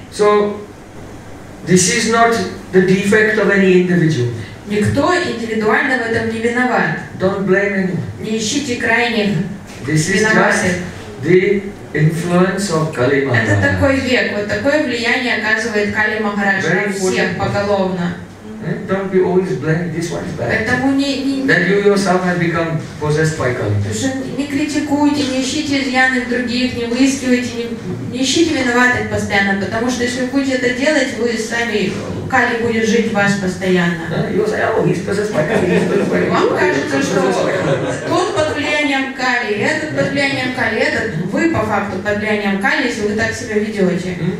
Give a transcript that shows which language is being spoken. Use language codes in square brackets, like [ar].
[en] So, this is not the defect of any individual. [ru] Никто индивидуально в этом не виноват. [en] Don't blame anyone. [ru] Не ищите крайних. [en] This is just the influence of Kali Maharaj. [ru] Это такой век, вот такое влияние оказывает Кали Махарадж на всех поголовно. [en] Don't be always blaming this one's bad. Then you yourself have become possessed by Kali. [ru] Не критикуйте, не ищите изъяны в других, не выискивайте, не ищите виноватых постоянно, потому что если вы будете это делать, вы сами Кали будет жить в вас постоянно. Вам кажется, что тот под влиянием Кали, этот под влиянием Кали, этот вы по факту под влиянием Кали, если вы так себя ведете.